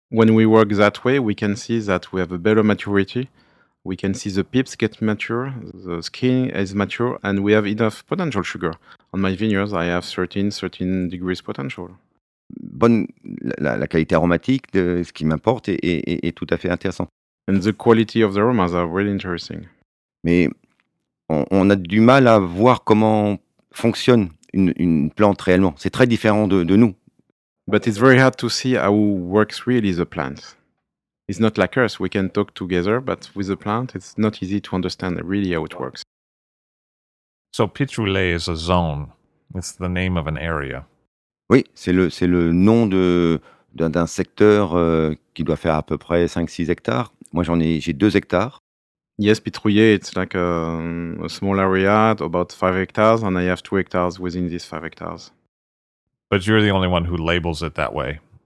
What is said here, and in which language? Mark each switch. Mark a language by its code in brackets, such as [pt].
[en] When we work that way, we can see that we have a better maturity. We can see the pips get mature, the skin is mature, and we have enough potential sugar. On my vineyards, I have 13 degrees potential. [fr] Bonne, la qualité aromatique de ce qui m'importe est tout à fait intéressant. [en] And the quality of the aromas are really interesting. [fr] Mais on a du mal à voir comment fonctionne une plante réellement. C'est très différent de nous. [en] But it's very hard to see how works really the plant. It's not like us. We can talk together, but with the plant, it's not easy to understand really how it works. So Pitroulet is a zone. It's the name of an area. [fr] Oui, c'est le nom d'un secteur qui doit faire à peu près 5-6 hectares. Moi, j'ai 2 hectares. [en] Yes, Pitroulet, it's like a small area, about 5 hectares, and I have 2 hectares within these 5 hectares. But you're the only one who labels it that way.